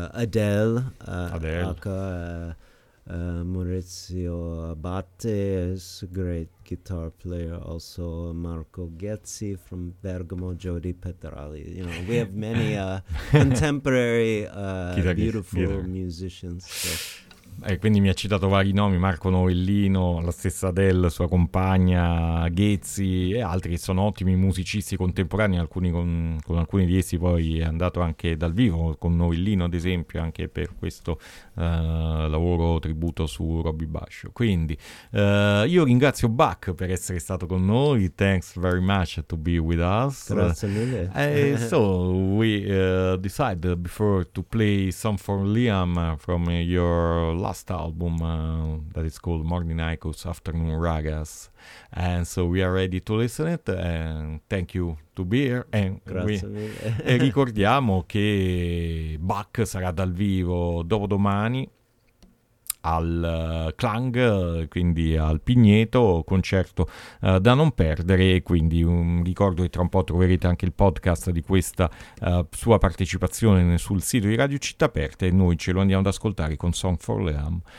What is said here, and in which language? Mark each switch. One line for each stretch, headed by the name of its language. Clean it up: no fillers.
English: Adele. Maurizio Abate is a great guitar player. Also Marco Ghezzi from Bergamo, Jody Petrali. You know, we have many contemporary beautiful musicians. So.
Italian: Quindi mi ha citato vari nomi, Marco Novellino, la stessa Adele, sua compagna, Ghezzi e altri che sono ottimi musicisti contemporanei, alcuni con alcuni di essi poi è andato anche dal vivo, con Novellino ad esempio, anche per questo lavoro tributo su Rabi Basho. Quindi io ringrazio Bach per essere stato con noi,
English: thanks very much to be with us.
Italian: Grazie mille.
English: So we decide before to play some for Liam from your last album that is called Morning Icos Afternoon Ragas, and so we are ready to listen it and thank you to be here. And
Italian: grazie mille. E ricordiamo che Bach sarà dal vivo dopodomani al Klang, quindi al Pigneto, concerto da non perdere. Quindi ricordo che tra un po' troverete anche il podcast di questa sua partecipazione sul sito di Radio Città Aperta, e noi ce lo andiamo ad ascoltare con Song for Liam.